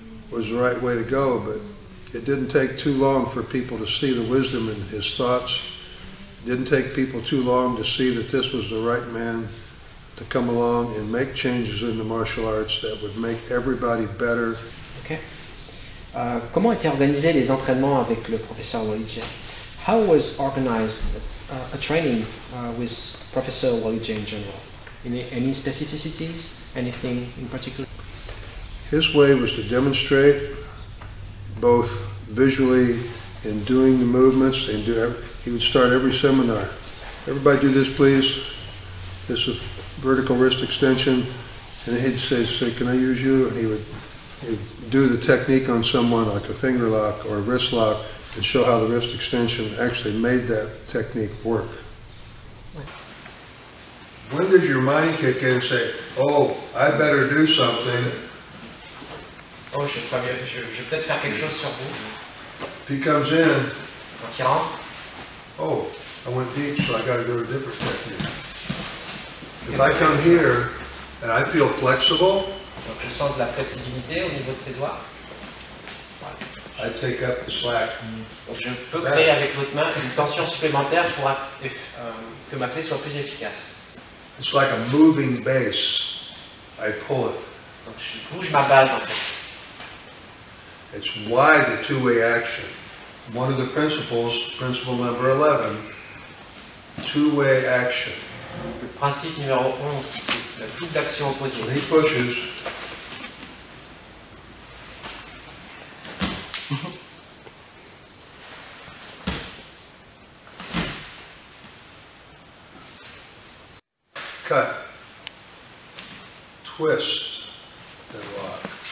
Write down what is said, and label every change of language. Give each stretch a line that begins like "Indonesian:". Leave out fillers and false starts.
English: was the right way to go, but it didn't take too long for people to see the wisdom in his thoughts. It didn't take people too long to see that this was the right man to come along and make changes in the martial arts that would make everybody better. Okay.
French: Comment étaient organisés les entraînements avec le professeur Walidje?
English: How was organized a training with Professor Walidje in general? Any specificities? Anything in particular? His way was to demonstrate both visually and doing the movements. And do, he would start every seminar. Everybody do this, please. This is vertical wrist extension. And he'd say, can I use you? And he would do the technique on someone, like a finger lock or a wrist lock, and show how the wrist extension actually made that technique work. When does your mind kick in and say, oh, I better do something?
French: Oh, je crois bien, je vais peut-être faire quelque chose sur vous.
English: If he comes in,
French: quand il rentre,
English: oh, I went deep, so I got to do a different technique. If I come here and I feel flexible,
French: donc je sens de la flexibilité au niveau de ses doigts.
English: Voilà. I take up the slack.
French: Donc je peux créer that, avec votre main une tension supplémentaire pour que ma clé soit plus efficace.
English: It's like a moving base. I pull it.
French: Donc je bouge ma base en fait.
English: It's why the two-way action. One of the principles, principle number 11, two-way action.
French: Le principe numéro 11, c'est la double action opposée.
English: When he pushes, cut, twist, then lock.